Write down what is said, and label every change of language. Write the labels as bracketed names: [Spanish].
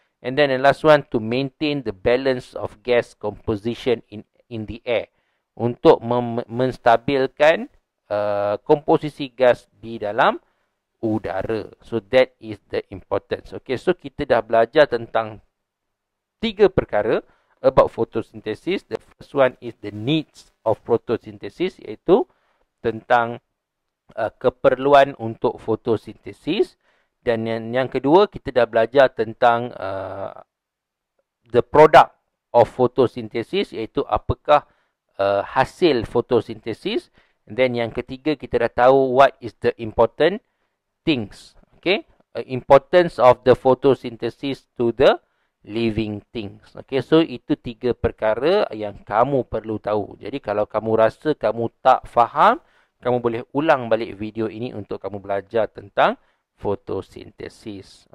[English] And then the last one, to maintain the balance of gas composition in the air. [Malay] Untuk menstabilkan komposisi gas di dalam udara. [English] So that is the importance. Okay, so [Malay] kita dah belajar tentang tiga perkara [English] about photosynthesis. The first one is the needs of photosynthesis, [Malay] iaitu tentang keperluan untuk fotosintesis. Dan yang kedua, kita dah belajar tentang [English] the product of [Malay] fotosintesis, iaitu apakah hasil fotosintesis. [English] And then [Malay] yang ketiga, kita dah tahu [English] what is the important things. Okay, importance of the photosynthesis to the living things. [Malay] Okay, so itu tiga perkara yang kamu perlu tahu. Jadi kalau kamu rasa kamu tak faham, kamu boleh ulang balik video ini untuk kamu belajar tentang fotosintesis.